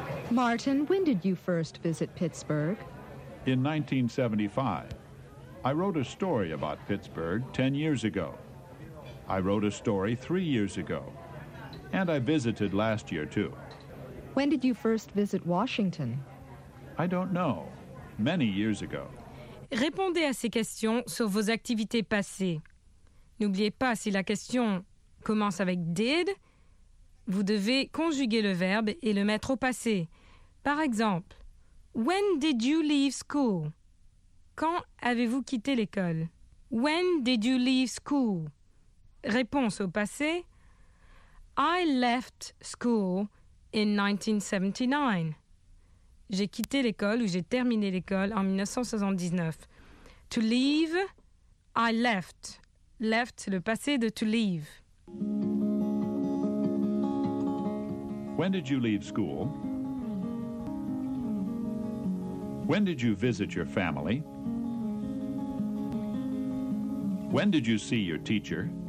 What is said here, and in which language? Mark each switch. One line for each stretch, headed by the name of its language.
English: Martin, when did you first visit Pittsburgh? In 1975. I wrote a story about Pittsburgh 10 years ago. I wrote a story 3 years ago. And I visited last year, too. When did you first visit Washington? I don't know. Many years ago.
French: Répondez à ces questions sur vos activités passées. N'oubliez pas, si la question commence avec « did », vous devez conjuguer le verbe et le mettre au passé. Par exemple, «
English: When did you leave school ?»
French: Quand avez-vous quitté l'école ?
English: « When did you leave school ?»
French: Réponse au passé, «
English: I left school in 1979.
French: » J'ai quitté l'école ou j'ai terminé l'école en 1979. «
English: To leave, I left.
French: » Left, le passé de to leave.
English: When did you leave school? When did you visit your family? When did you see your teacher?